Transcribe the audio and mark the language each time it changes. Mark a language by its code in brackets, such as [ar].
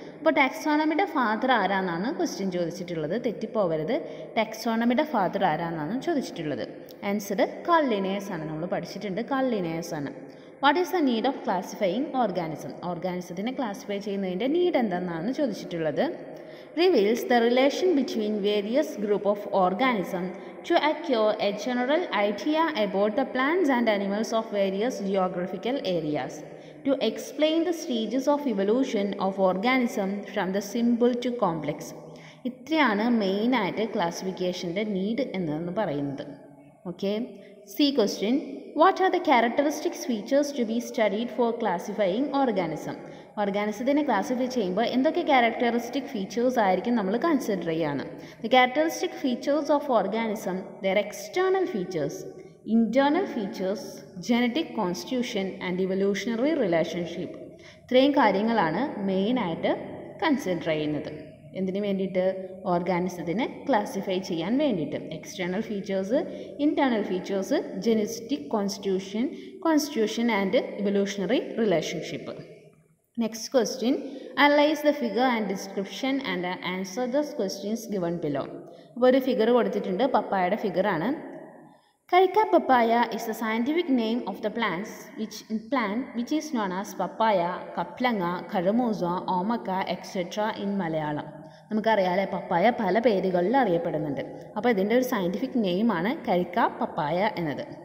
[ml] അപ്പോൾ ടാക്സോണമിയുടെ father ആരാന്നാണ് question ചോദിച്ചിട്ടുള്ളത്, തെറ്റിപ്പോവരുത്. ടാക്സോണമിയുടെ father ആരാന്നാണ് ചോദിച്ചിട്ടുള്ളത്. ആൻസർ കാൾ ലിനിയസ് ആണ്, നമ്മൾ പഠിച്ചിട്ടുണ്ട് കാൾ ലിനിയസ് ആണ്. [en] what is the need of classifying organism, [ml] ഓർഗാനിസത്തിനെ classify ചെയ്യുന്നതിൻ്റെ നീഡ് എന്താണെന്നാണ് ചോദിച്ചിട്ടുള്ളത്. [en] Reveals the relation between various group of organism to acquire a general idea about the plants and animals of various geographical areas. To explain the stages of evolution of organism from the simple to complex. [ml] ഇത്രയാണ് മെയിനായിട്ട് ക്ലാസിഫിക്കേഷൻ്റെ need എന്നാണ് പറയുന്നത്. [en] Okay, C question, what are the characteristics features to be studied for classifying organism. [ml] ഓർഗാനിസത്തിനെ classify ചെയ്യുമ്പോൾ എന്തൊക്കെ characteristic features ആയിരിക്കും നമ്മൾ consider ചെയ്യുകയാണ്. [en] The characteristic features of organism, their external features, internal features, genetic constitution and evolutionary relationship. [ml] ഇത്രയും കാര്യങ്ങളാണ് മെയിനായിട്ട് consider ചെയ്യുന്നത്. എന്തിനു വേണ്ടിയിട്ട്? ഓർഗാനിസത്തിനെ ക്ലാസിഫൈ ചെയ്യാൻ വേണ്ടിയിട്ട്. External features, internal features, genetic constitution, constitution and evolutionary relationship. [en] Next question, analyze the figure and description and answer the questions given below. [ml] ഒരു figure കൊടുത്തിട്ടുണ്ട്, പപ്പായയുടെ ഫിഗറാണ്. [en] Carica papaya is the scientific name of the plants which is known as papaya, കപ്ലങ്ങ, കഴമൂസ, ഓമക്ക etcetera in Malayalam. [ml] നമുക്കറിയാലേ പപ്പായ പല പേരുകളിൽ അറിയപ്പെടുന്നുണ്ട്. അപ്പോൾ ഇതിൻ്റെ ഒരു scientific നെയിമാണ് കഴിക്ക പപ്പായ എന്നത്.